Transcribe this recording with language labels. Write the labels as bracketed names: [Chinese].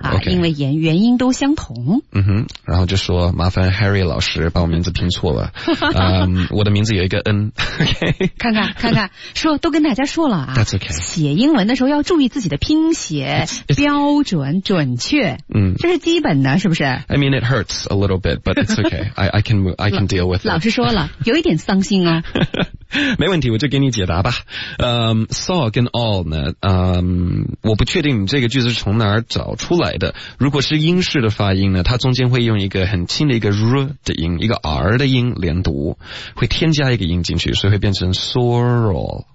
[Chinese] 啊，因为原因都相同。嗯哼，然后就说麻烦 Harry 老师把我名字拼错了。我的名字有一个 N。OK，看看，说都跟大家说了啊。 [English] That's OK。 [Chinese] 写英文的时候要注意自己的拼写 [English] it's [Chinese] 标准准确。嗯，这是基本的，是不是 [English] ？I mean it hurts a little bit, but it's OK. I can deal with it. [Chinese] 老师说了，有一点伤心啊。没问题，我就给你解答吧。 Saw 跟 all 呢？我不确定你这个句子是从哪儿找出来的。如果是英式的发音呢，它中间会用一个很轻的一个 r 的音，一个 r 的音连读，会添加一个音进去，所以会变成 sorrel。